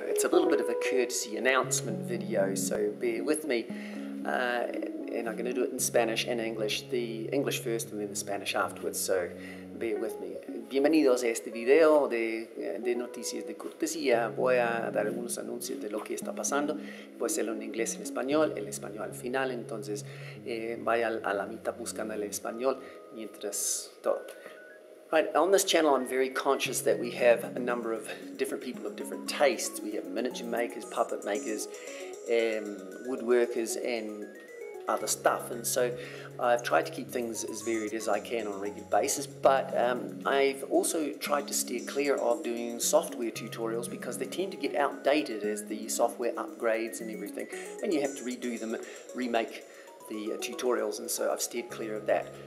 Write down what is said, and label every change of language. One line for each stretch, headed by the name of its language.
English: It's a little bit of a courtesy announcement video, so bear with me. And I'm going to do it in Spanish and English. The English first and then the Spanish afterwards, so bear with me.
Spanish: Bienvenidos a este video de noticias de cortesía. Voy a dar algunos anuncios de lo que está pasando. Voy a hacerlo en inglés y en español. El español al final, entonces vaya a la mitad buscando el español mientras todo.
English: Right, on this channel, I'm very conscious that we have a number of different people of different tastes. We have miniature makers, puppet makers, woodworkers, and other stuff. And so I've tried to keep things as varied as I can on a regular basis, but I've also tried to steer clear of doing software tutorials because they tend to get outdated as the software upgrades and everything, and you have to redo them, remake the tutorials, and so I've steered clear of that.